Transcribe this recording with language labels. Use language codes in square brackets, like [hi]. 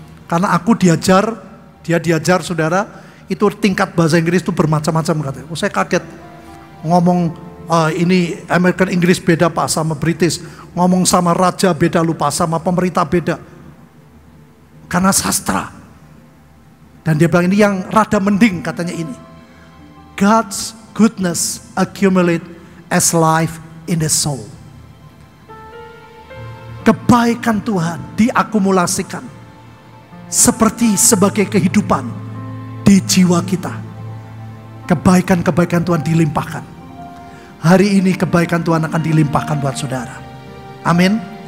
[id] Karena aku diajar, dia diajar saudara, itu tingkat bahasa Inggris itu bermacam-macam katanya. Oh, saya kaget, ngomong ini American English beda Pak sama British. Ngomong sama raja beda lupa, sama pemerintah beda. Karena sastra. Dan dia bilang ini yang rada mending katanya ini. [en] God's goodness accumulate as life in the soul. [id] Kebaikan Tuhan diakumulasikan seperti sebagai kehidupan di jiwa kita. Kebaikan-kebaikan Tuhan dilimpahkan. Hari ini kebaikan Tuhan akan dilimpahkan buat saudara. Amin.